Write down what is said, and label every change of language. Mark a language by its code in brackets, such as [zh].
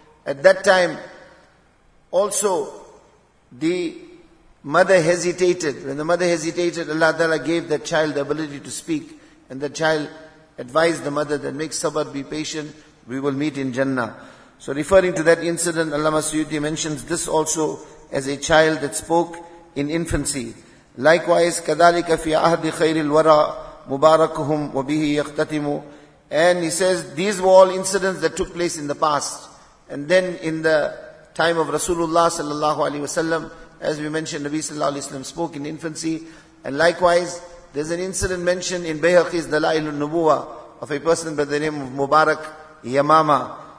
[en] At that time, also, the mother hesitated. When the mother hesitated, Allah Ta'ala gave that child the ability to speak. And the child advised the mother that, make sabr, be patient, we will meet in Jannah. So referring to that incident, Allama Suyuti mentions this also as a child that spoke in infancy. Likewise, [ar] كَذَلِكَ فِي أَهْدِ خَيْرِ الْوَرَىٰ مُبَارَكُهُمْ وَبِهِ يَخْتَتِمُ. [en] And he says, these were all incidents that took place in the past. And then in the time of Rasulullah sallallahu alayhi wa sallam, as we mentioned, Nabi sallallahu alayhi wa sallam spoke in infancy. And likewise, there's an incident mentioned in Bayhaqi's Dalail al-Nubuwa of a person by the name of Mubarak Yamama.